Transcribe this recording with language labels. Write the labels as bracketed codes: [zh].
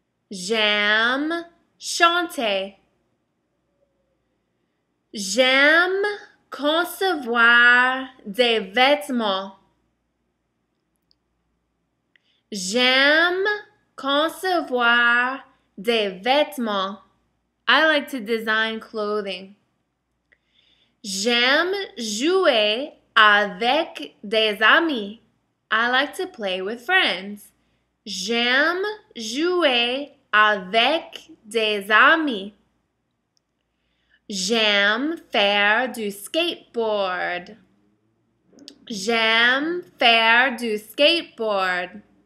[fr] J'aime chanter. J'aime concevoir des vêtements. J'aime concevoir des vêtements. [en] I like to design clothing. [fr] J'aime jouer avec des amis. [en] I like to play with friends. [fr] J'aime jouer avec des amis. J'aime faire du skateboard. J'aime faire du skateboard.